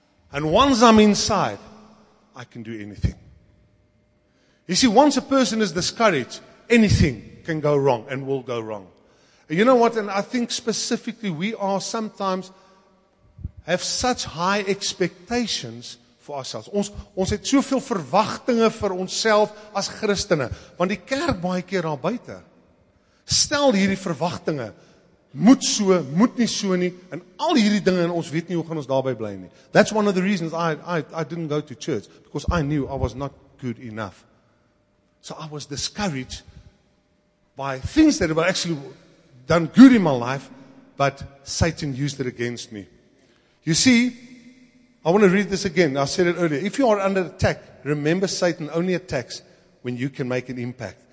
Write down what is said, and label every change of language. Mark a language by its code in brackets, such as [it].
[en] And once I'm inside, I can do anything. You see, once a person is discouraged, anything can go wrong and will go wrong. You know what? And I think specifically we are sometimes have such high expectations for ourselves. [af] Ons het soveel verwagtinge vir onsself as Christene, want die kerk baie keer daar buite stel hierdie verwagtinge moet so, moet nie so nie en al hierdie dinge en ons weet nie hoe gaan ons daarby bly nie. [en] That's one of the reasons I didn't go to church because I knew I was not good enough. So I was discouraged by things that were actually done good in my life, but Satan used it against me. You see, I want to read this again. I said it earlier. If you are under attack, remember Satan only attacks when you can make an impact.